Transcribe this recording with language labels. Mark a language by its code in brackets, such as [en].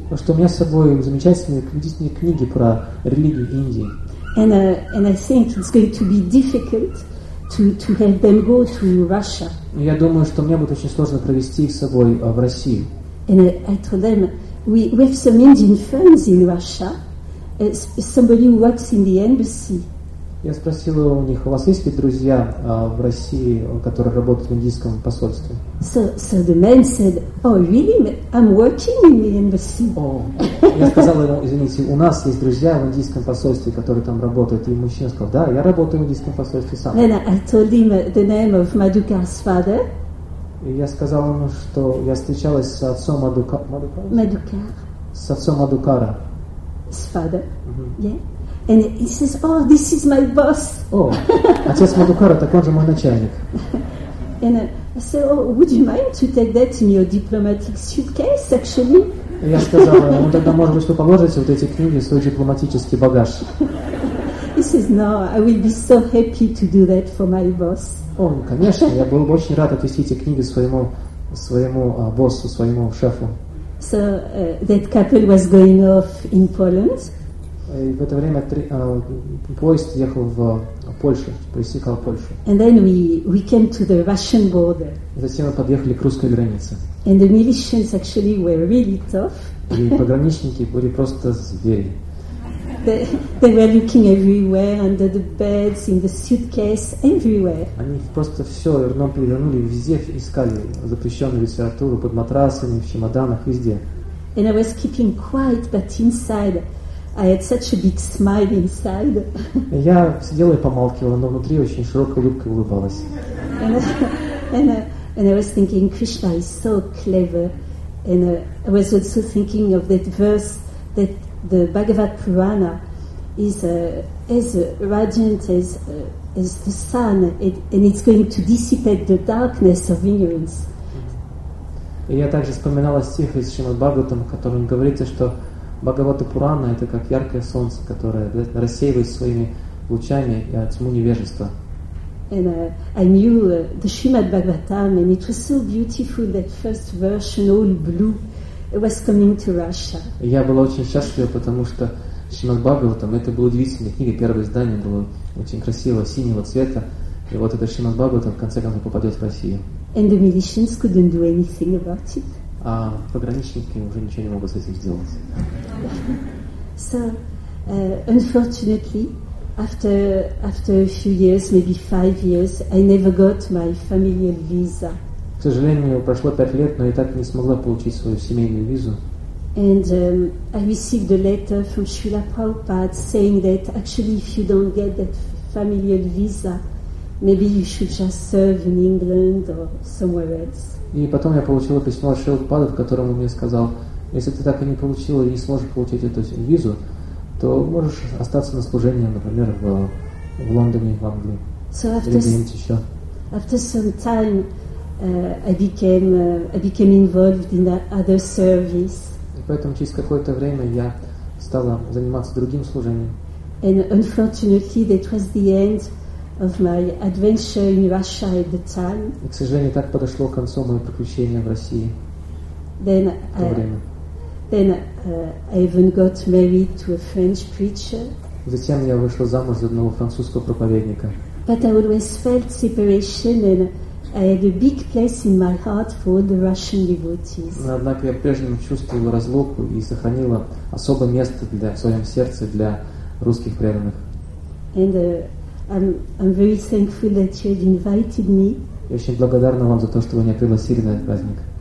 [ru] Потому что у меня с собой замечательные книги про религию Индии. [en] And I think it's going to be difficult to help them go to Russia. [ru] Я думаю, что мне будет очень сложно провести их с собой в Россию. [en] And I told them, we have some Indian friends in Russia. Somebody who works in the embassy. [ru] Я спросила у них, у вас есть ли друзья в России, которые работают в индийском посольстве? [en] So the man said, oh, really? I'm working in the embassy. [ru] Я сказала ему, извините, у нас есть друзья в индийском посольстве, которые там работают. И мужчина сказал, да, я работаю в индийском посольстве сам. [en] Then I told him the name of Madhukar's father. [ru] И я сказала ему, что я встречалась с отцом [en] Madhukar. [ru] С отцом Madhukara. [en] His father, yeah. And he says, oh, this is my boss. [ru] Oh, отец Madhukara, так он же мой начальник. [en] And I said, oh, would you mind to take that in your diplomatic suitcase, actually? [ru] Я сказал, ну тогда, может быть, вы положите вот эти книги в свой дипломатический багаж. [en] He says, no, I will be so happy to do that for my boss. [ru] Oh, ну, конечно, я был бы очень рад отвести эти книги своему боссу, своему шефу. [en] So that couple was going off in Poland. [ru] И в это время поезд ехал в Польшу, пересекал Польшу. [en] And then we came to the Russian border. [ru] И затем мы подъехали к русской границе. [en] And the militias actually were really tough. [ru] И пограничники были просто звери. [en] They were looking everywhere, under the beds, in the suitcase, everywhere. [ru] Они просто все рвом перевернули, везде искали запрещенную литературу, под матрасами, в чемоданах, везде. [en] And I was keeping quiet, but inside I had such a big smile inside. [ru] Я сидела и помалкивала, но внутри очень широкой улыбкой улыбалась. [en] And I was thinking, Krishna is so clever. And I was also thinking of that verse that the Bhagavad Purana is as radiant as the sun, and it's going to dissipate the darkness of ignorance. [ru] И я также вспоминала стих из Шримад Бхагаватам, в котором говорится, что Бхагавата Пурана — это как яркое солнце, которое рассеивает своими лучами тьму невежества. [en] And I knew the Srimad Bhagavatam, and it was so beautiful, that first version, all blue, it was coming to Russia. [ru] Я была очень счастлива, потому что Шримад Бхагаватам — это была удивительная книга, первое издание было очень красивого синего цвета, и вот это Шримад Бхагаватам в конце концов попадет в Россию. [en] And the militians couldn't do anything about it. [ru] А пограничники уже ничего не могут с этим сделать. [en] So, unfortunately, after a few years, maybe 5 years, I never got my familial visa. [ru] К сожалению, прошло 5 лет, но я так и не смогла получить свою семейную визу. [en] And I received a letter from Srila Prabhupada saying that actually, if you don't get that familial visa, maybe you should just serve in England or somewhere else. [ru] И потом я получила письмо от Шрилы Прабхупады, в котором он мне сказал, если ты так и не получила и не сможешь получить эту визу, то можешь остаться на служении, например, в Лондоне, в Англии. [en] So after some time, I became involved in other service. [ru] И поэтому через какое-то время я стала заниматься другим служением. [en] And unfortunately, that was the end of my adventure in Russia at the time. [ru] И, к сожалению, так подошло к концу мое приключение в России. [en] Then I even got married to a French preacher. [ru] Затем я вышла замуж за одного французского проповедника. [en] But I always felt separation, and I had a big place in my heart for the Russian devotees. [ru] Но, однако, я прежнему чувствовала разлуку и сохранила особое место в своем сердце для русских преданных. [en] And I'm very thankful that you have invited me. [ru] Я очень благодарна вам за то, что вы меня пригласили на этот праздник.